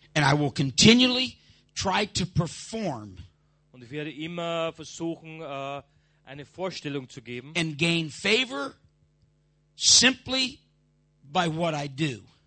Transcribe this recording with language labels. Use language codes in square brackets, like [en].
[en] And I will continually try to perform. [de] Und ich werde immer versuchen, eine Vorstellung zu geben, [en] and gain favor simply by what I do.